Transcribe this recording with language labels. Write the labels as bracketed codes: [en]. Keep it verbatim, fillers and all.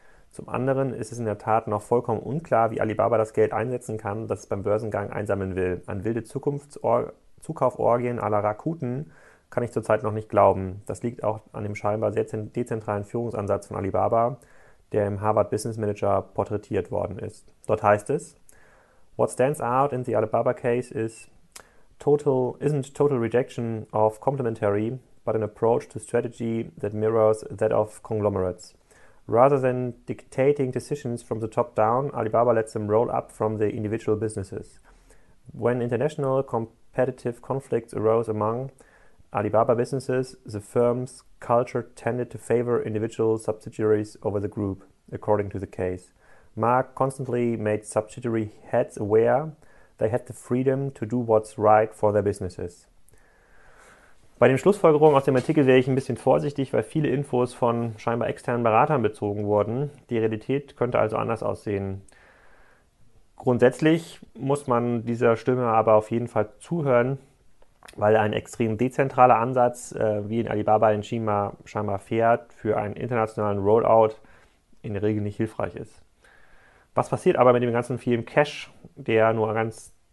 [de] Zum anderen ist es in der Tat noch vollkommen unklar, wie Alibaba das Geld einsetzen kann, das es beim Börsengang einsammeln will. An wilde Zukauforgien à la Rakuten kann ich zurzeit noch nicht glauben. Das liegt auch an dem scheinbar sehr dezentralen Führungsansatz von Alibaba, der im Harvard Business Manager porträtiert worden ist. Dort heißt es: [en] What stands out in the Alibaba case is total isn't total rejection of complementary, but an approach to strategy that mirrors that of conglomerates. Rather than dictating decisions from the top down, Alibaba lets them roll up from the individual businesses. When international competitive conflicts arose among Alibaba businesses, the firm's culture tended to favor individual subsidiaries over the group, according to the case. Mark constantly made subsidiary heads aware they had the freedom to do what's right for their businesses. [de] Bei den Schlussfolgerungen aus dem Artikel wäre ich ein bisschen vorsichtig, weil viele Infos von scheinbar externen Beratern bezogen wurden. Die Realität könnte also anders aussehen. Grundsätzlich muss man dieser Stimme aber auf jeden Fall zuhören, weil ein extrem dezentraler Ansatz, äh, wie in Alibaba in China scheinbar fährt, für einen internationalen Rollout in der Regel nicht hilfreich ist. Was passiert aber mit dem ganzen vielen Cash, der nur ganz